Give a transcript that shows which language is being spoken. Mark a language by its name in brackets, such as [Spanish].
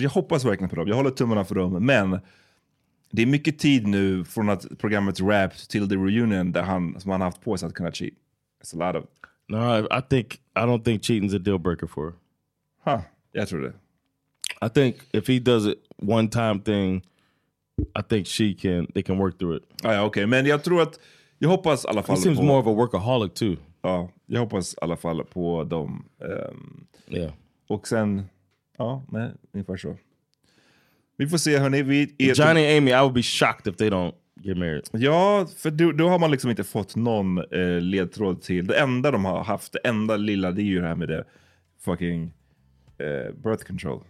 [Swedish] Jag hoppas verkligen på dem. Jag håller tummarna för dem. Men det är mycket tid nu från att programmet wrapped till the reunion där han som han haft på sig att kunna cheat. [English] It's a lot of... No, I don't think cheating's a deal breaker for her. Huh. Yeah, true. I think if he does it one time thing, I think they can work through it. Oh, yeah, okay. [Swedish] Men jag tror att jag hoppas alla fall. [English] He seems more of a workaholic too. [Swedish] Ja, jag hoppas alla fall på dem. Och sen ungefär så. Vi får se, hörni. [English] Johnny and Amy, I would be shocked if they don't get married. [Swedish] Ja, för då har man liksom inte fått någon ledtråd till. Det enda de har haft, det enda lilla, det är ju det här med det fucking birth control.